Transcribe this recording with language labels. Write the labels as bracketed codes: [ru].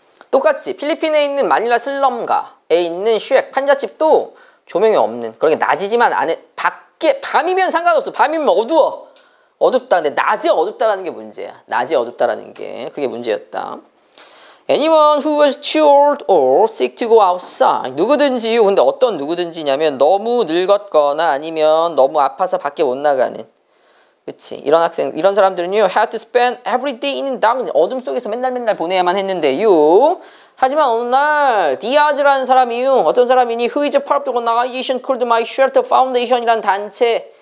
[ko] 똑같이 필리핀에 있는 마닐라 슬럼가에 있는 슈액 판자집도 조명이 없는, 그렇게 낮이지만 안에 밖에 밤이면 상관없어. 밤이면 어두워. 어둡다. 근데 낮에 어둡다라는 게 문제야. 낮에 어둡다라는 게 그게 문제였다. [en] Anyone who was too old or sick to go outside. [ko] 누구든지요. 근데 어떤 누구든지냐면 너무 늙었거나 아니면 너무 아파서 밖에 못 나가는. 그치. 이런 학생, 이런 사람들은요. [en] Had to spend every day in darkness. [ko] 어둠 속에서 맨날 맨날 보내야만 했는데요. 하지만 어느 날 디아즈라는 사람이요. 어떤 사람이니? [en] Who is a part of the organization called My Shelter Foundation이라는 단체.